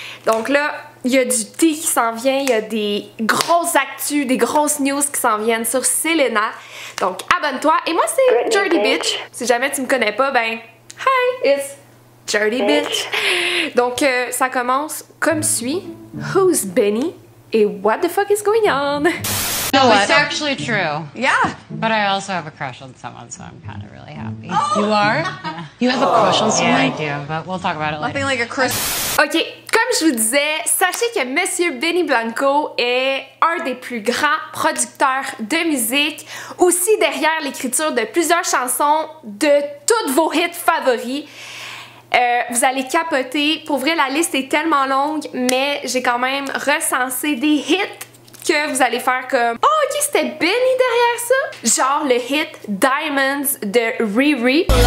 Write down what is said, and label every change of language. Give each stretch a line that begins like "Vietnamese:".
French: Donc là, il y a du thé qui s'en vient, il y a des grosses actus, des grosses news qui s'en viennent sur Selena. Donc abonne-toi. Et moi, c'est Jordy Bitch. Si jamais tu me connais pas, ben,
English: hi, it's Jordy Bitch.
French: Donc, ça commence comme suit.
English: Who's Benny? Et what the fuck is going on? No, it's actually true. Yeah. But I also have a crush on someone, so I'm kind of really happy. Oh. You are? Yeah. You have a crush on someone? Yeah, I do, but we'll talk about it Nothing later. Like a crush.
French: OK, comme je vous disais, sachez que Monsieur Benny Blanco est un des plus grands producteurs de musique, aussi derrière l'écriture de plusieurs chansons de toutes vos hits favoris. Vous allez capoter. Pour vrai, la liste est tellement longue, mais j'ai quand même recensé des hits que vous allez faire comme « Oh, ok, c'était Benny derrière ça! » Genre le hit « Diamonds » de Riri.